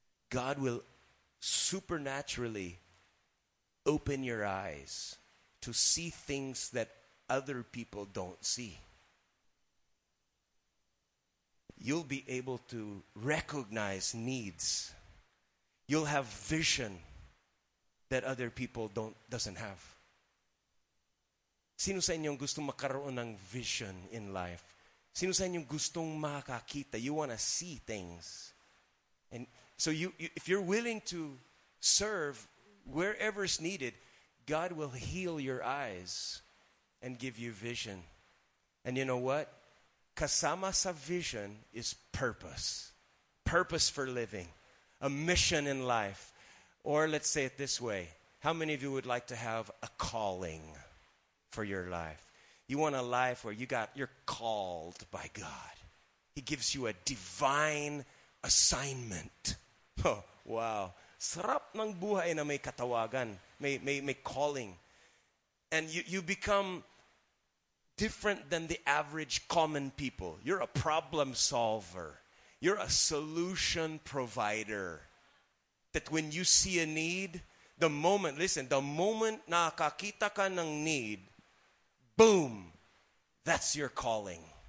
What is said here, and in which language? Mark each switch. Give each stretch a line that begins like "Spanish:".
English: God will supernaturally open your eyes to see things that other people don't see. You'll be able to recognize needs. You'll have vision that other people doesn't have.
Filipino: Sino sa inyong gustong magkaroon ng vision in life? Sino sa inyong gustong makakita?
English: You want to see things. And so you, if you're willing to serve wherever is needed, God will heal your eyes and give you vision. And you know what?
Filipino: Kasama sa vision is purpose.
English: Purpose for living. A mission in life. Or let's say it this way. How many of you would like to have a calling for your life? You want a life where you're called by God. He gives you a divine assignment. Oh, wow.
Filipino: Sarap ng buhay na may katawagan. May calling.
English: And you become different than the average common people. You're a problem solver. You're a solution provider. That when you see a need, the moment
Filipino: nakakita ka ng need,
English: boom, that's your calling.